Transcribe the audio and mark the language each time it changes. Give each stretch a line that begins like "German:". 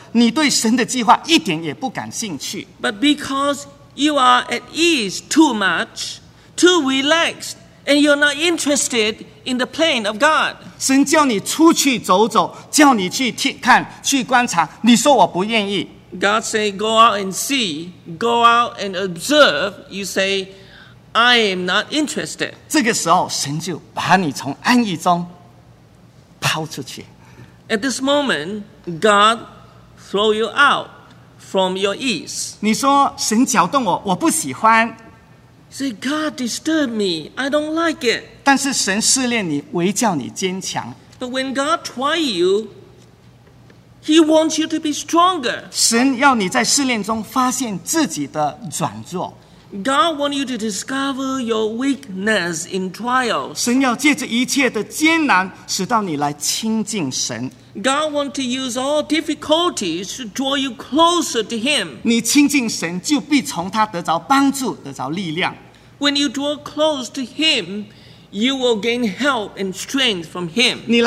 Chinese: 让你因为生活太安定、太安稳、太舒适了，你对神的计划一点也不感兴趣。
English: But because you are at ease too much, too relaxed, and you're not interested in the plan of God.
Chinese: 神叫你出去走走，叫你去看、去观察，你说我不愿意。
English: God say, go out and see, go out and observe. You say, I am not interested.
Chinese: 这个时候，神就把你从安逸中抛出去。
English: At this moment, God throw you out from your ease.
Chinese: 你说神搅动我，我不喜欢。
English: Say God disturb me, I don't like it.
Chinese: 但是神试炼你，唯叫你坚强。
English: But when God try you, He wants you to be stronger.
Chinese: 神要你在试炼中发现自己的软弱。
English: God wants you to discover your weakness in trials.
Chinese: 神要借着一切的艰难，使到你来亲近神。
English: God wants to use all difficulties to draw you closer to Him.
Chinese: 你亲近神，就必从他得着帮助，得着力量。
English: When you draw close to Him, you will gain help and strength from Him.